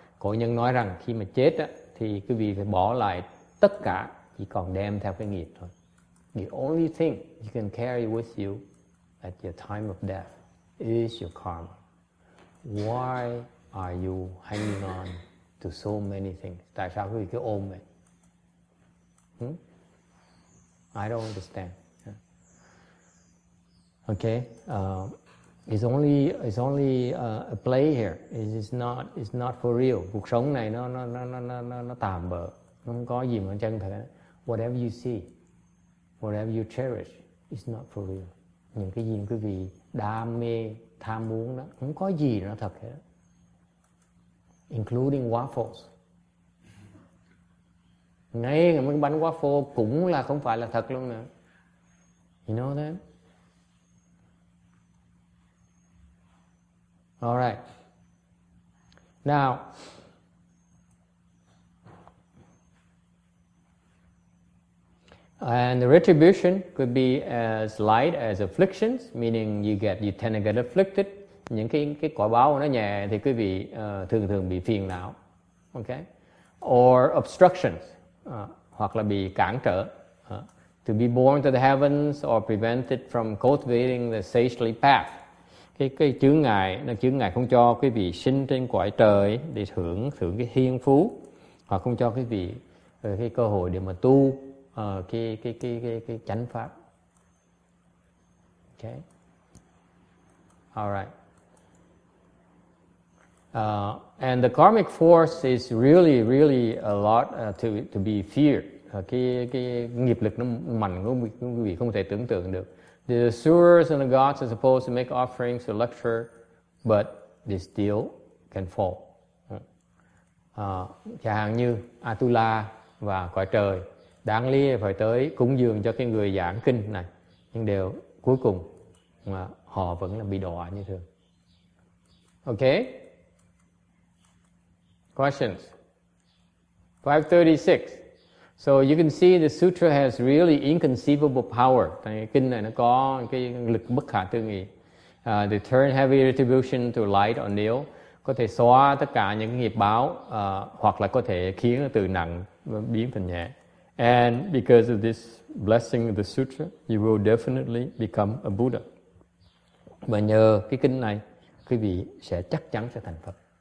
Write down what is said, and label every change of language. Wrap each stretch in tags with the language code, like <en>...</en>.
<vi>Cổ nhân nói rằng, khi mà chết á, thì quý vị phải bỏ lại tất cả, chỉ còn đem theo cái nghiệp thôi.</vi> <en>The only thing you can carry with you at your time of death is your karma. Why are you hanging on to so many things?</en> <vi>Tại sao quý vị cứ ôm vậy?</vi> <en>I don't understand. Okay. It's only a play here. It's not for real.</en> <vi>Cuộc sống này nó tạm bợ. Nó không có gì mà chân thật.</vi> <en>Whatever you see, whatever you cherish, is not for real.</en> <vi>Những cái gì quý vị đam mê, tham muốn đó, không có gì nó thật hết.</vi> <en>Including waffles.</en> <vi>Ngay cả mấy bánh waffle cũng là không phải là thật luôn nữa.</vi> <en>You know that? All right. Now, and the retribution could be as light as afflictions, meaning you tend to get afflicted.</en> <vi>Những cái quả báo nó nhẹ thì quý vị thường thường bị phiền não. Okay?</vi> <en>Or obstructions,</en> <vi>hoặc là bị cản trở.</vi> <en>To be born to the heavens or prevented from cultivating the sagely path.</en> <vi>Cái chướng ngại, nó chướng ngại không cho quý vị sinh trên cõi trời để thưởng cái thiên phú, hoặc không cho quý vị cái cơ hội để mà tu cái chánh pháp.</vi> <en>Okay. All right. And the karmic force is really, really a lot to be feared.</en> <vi>Cái nghiệp lực nó mạnh, quý vị không thể tưởng tượng được.</vi> <en>The asuras and the gods are supposed to make offerings to lecture, but they still can fall.</en> <vi>Chẳng hạn như Atula và cõi trời đáng lý phải tới cúng dường cho cái người giảng kinh này, nhưng đều cuối cùng mà họ vẫn là bị đọa như thường.</vi> <en>Okay? Questions? 536. So you can see the sutra has really inconceivable power.</en> <vi>Kinh này nó có cái lực bất khả tư nghị.</vi> <en>They turn heavy retribution to light or nil.</en> <vi>Có thể xóa tất cả những nghiệp báo hoặc là có thể khiến từ nặng biến thành nhẹ.</vi> <en>And because of this blessing of the sutra, you will definitely become a Buddha.</en> <vi>Và nhờ cái kinh này, quý vị sẽ chắc chắn sẽ thành Phật.</vi>